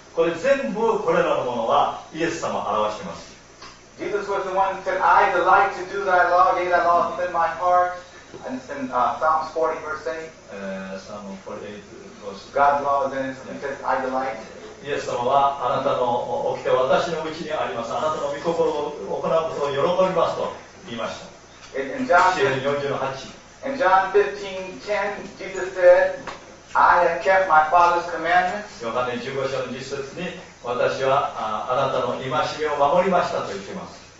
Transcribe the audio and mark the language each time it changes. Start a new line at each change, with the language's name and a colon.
Japanese: これ全部これらのものはイエス様を表しています。
English: Jesus was the one who said, I delight to do thy law, yea, thy law is in my heart. And it's in Psalms 40, verse 8. Psalm 48, verse 8. God's law is in it, and he says, I delight.
Japanese: イエス様は、あなたの掟は私のうちにあります。あなたの御心を行うことを喜びますと言いました。
English: In John 15:10, Jesus said, I have kept my Father's commandments.
Japanese: ヨハネ15章の実節に、私はあなたの戒めを守りましたと言っています。